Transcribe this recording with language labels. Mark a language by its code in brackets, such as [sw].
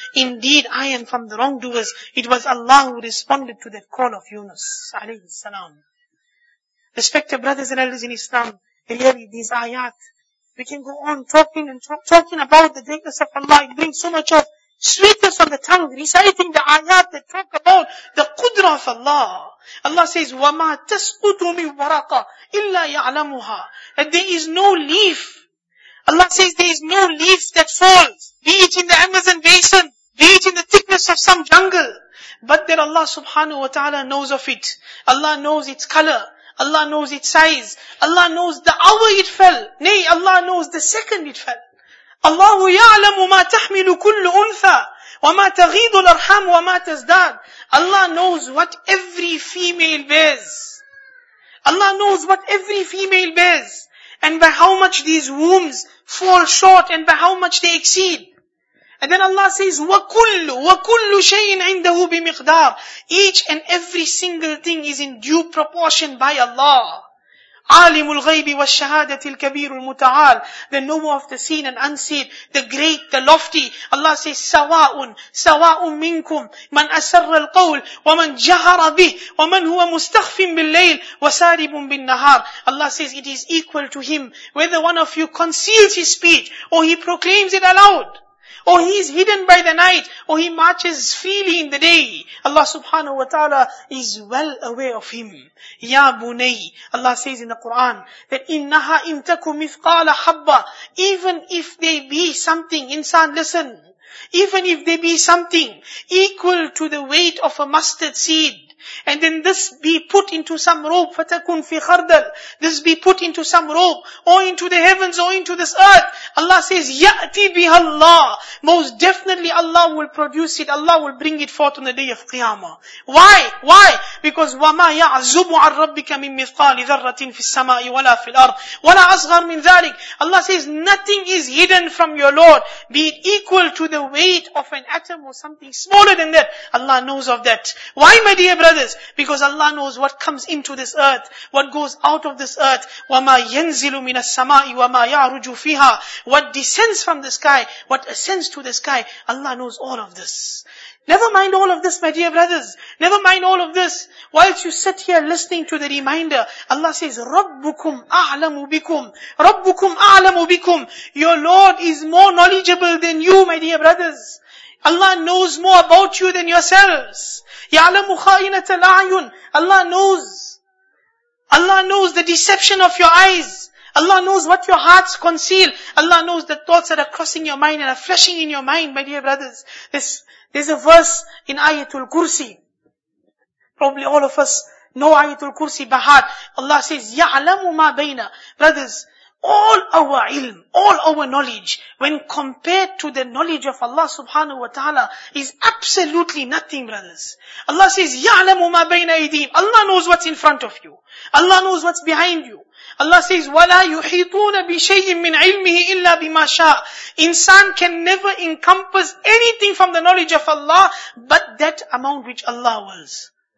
[en] Indeed, I am from the wrongdoers. It was Allah who responded to that call of Yunus alayhi salam. Respected brothers and elders in Islam, really these ayat, we can go on talking and talking about the greatness of Allah. It brings so much of sweetness on the tongue, reciting the ayat that talk about the qudra of Allah. Allah says, [ar] وَمَا تَسْقُطُ مِن وَرَقَ إِلَّا يَعْلَمُهَا. [en] That there is no leaf. Allah says, there is no leaf that falls, be it in the Amazon basin, be it in the thickness of some jungle, but that Allah subhanahu wa ta'ala knows of it. Allah knows its color. Allah knows its size. Allah knows the hour it fell. Nay, Allah knows the second it fell. [ar] Allah يَعْلَمُ مَا تَحْمِلُ كُلُّ أُنْثَى وَمَا تَغِيدُ الْأَرْحَامُ وَمَا تَزْدَادُ. [en] Allah knows what every female bears. Allah knows what every female bears, and by how much these wombs fall short, and by how much they exceed. And then Allah says, [ar] وَكُلُّ شَيْءٍ عِنْدَهُ بِمِقْدَارٍ. [en] Each and every single thing is in due proportion by Allah. [ar] عَالِمُ الْغَيْبِ وَالشَّهَادَةِ الْكَبِيرُ الْمُتَعَالِ. [en] The knower of the seen and unseen, the great, the lofty. Allah says, [ar] سَوَاءٌ مِنْكُمْ مَنْ أَسَرَّ الْقَوْلِ وَمَنْ جَهَرَ بِهِ وَمَنْ هُوَ مُسْتَخْفٍ بِالْلَّيْلِ وَسَارِبٌ بِالنَّهَارِ. [en] Allah says, it is equal to him whether one of you conceals his speech or he proclaims it aloud. Or he is hidden by the night, or he marches freely in the day. Allah subhanahu wa ta'ala is well aware of him. Ya bunay, Allah says in the Quran, that [ar] innaha intaku mithqala habba, [en] even if there be something, insan, listen, even if there be something equal to the weight of a mustard seed, and then this be put into some rope, [ar] فَتَكُنْ فِي خَرْدَلْ. [en] This be put into some rope, or into the heavens, or into this earth. Allah says, [ar] يَأْتِ بِهَا اللَّهِ. [en] Most definitely Allah will produce it, Allah will bring it forth on the day of Qiyamah. Why? [ar] Because وَمَا يَعْزُبُ عَنْ رَبِّكَ مِنْ مِثْقَالِ ذَرَّةٍ فِي السَّمَاءِ وَلَا فِي الْأَرْضِ وَلَا أَصْغَرْ مِنْ ذَلِكَ. [en] Allah says, nothing is hidden from your Lord, be it equal to the weight of an atom or something smaller than that. Allah knows of that. Why, my dear brothers? Because Allah knows what comes into this earth, what goes out of this earth. [ar] وَمَا يَنْزِلُ مِنَ السَّمَاءِ وَمَا يَعْرُجُ فِيهَا. [en] What descends from the sky, what ascends to the sky, Allah knows all of this. Never mind all of this, my dear brothers. Never mind all of this. Whilst you sit here listening to the reminder, Allah says, [ar] رَبُّكُمْ أَعْلَمُ بِكُمْ رَبُّكُمْ أَعْلَمُ بِكُمْ. [en] Your Lord is more knowledgeable than you, my dear brothers. Allah knows more about you than yourselves. [ar] يَعْلَمُ خَائِنَةَ الْأَعْيُنِ. [en] Allah knows. Allah knows the deception of your eyes. Allah knows what your hearts conceal. Allah knows the thoughts that are crossing your mind and are flashing in your mind, my dear brothers. There's a verse in Ayatul Kursi. Probably all of us know Ayatul Kursi by heart. Allah says, [ar] يَعْلَمُ مَا بَيْنَا. [en] Brothers, all our ilm, all our knowledge, when compared to the knowledge of Allah subhanahu wa ta'ala, is absolutely nothing, brothers. Allah says, [ar] يَعْلَمُ مَا بَيْنَ أَيْدِيهِمْ. [en] Allah knows what's in front of you. Allah knows what's behind you. Allah says, [ar] وَلَا يُحِيطُونَ بِشَيْءٍ مِّنْ عِلْمِهِ إِلَّا بِمَا شَاءٍ. [en] Insan can never encompass anything from the knowledge of Allah, but that amount which Allah wills.